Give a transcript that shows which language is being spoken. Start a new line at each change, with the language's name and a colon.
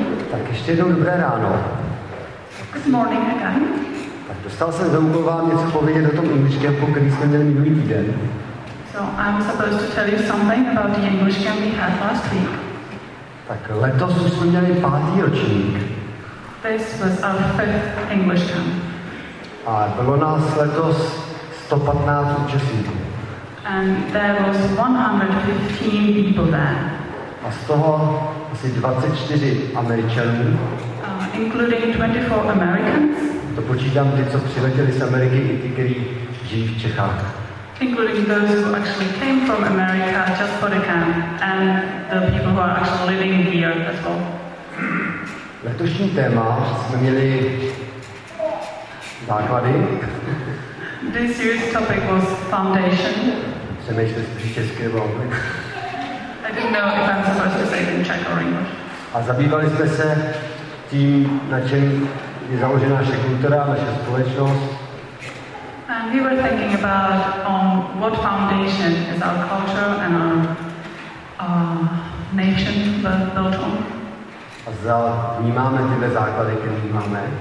Czech: Tak ještě jednou dobré ráno.
English: Good morning again.
Czech: Tak dostal jsem za úkol vám něco povědět o tom English Campu, který jsme měli minulý týden.
English: So I'm supposed to tell you something about the English Camp we had last week.
Czech: Tak letos už jsme měli pátý ročník.
English: This was our fifth English Camp.
Czech: A bylo nás letos 115 účastníků.
English: And there was 115 people there.
Czech: A z toho asi 24 Američanů.
English: Including 24 Americans.
Czech: To počítám ty, co přiletěli z Ameriky, i ty, kteří žijí v Čechách.
English: Including those who actually came from America just for the camp and the people who are actually living here as well.
Czech: Letošní téma jsme měli základy.
English: This year's topic was foundation.
Czech: Přemýšlel jsem, jestli česky nebo anglicky.
English: I didn't know if I'm supposed to say it in Czech or English.
Czech: A zabývali jsme se tím, na čem je založena naše kultura, naše společnost.
English: And we were thinking about on what foundation is our culture and our nation built on.
Czech: A za vnímáme tyhle základy, které vnímáme.